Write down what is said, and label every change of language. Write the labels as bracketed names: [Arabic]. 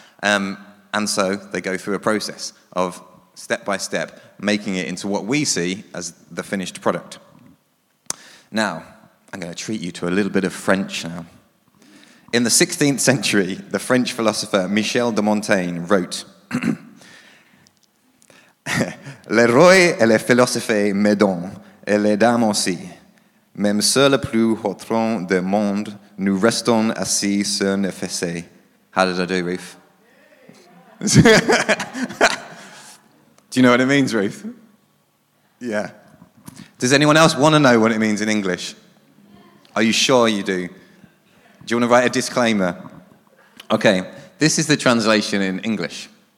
[English] And so they go through a process of step by step making it into what we see as the finished product. Now, I'm going to treat you to a little bit of French now. In the 16th century, the French philosopher Michel de Montaigne wrote, [French] Les rois et les philosophes m'aident, et les dames aussi. Même sur le plus haut trône du monde, nous restons assis sur nos fessées. [English] How did I do, Ruth? Do you know what it means, Ruth? Yeah. Does anyone else want to know what it means in English? Are you sure you do? Do you want to write a disclaimer? Okay, this is the translation in English.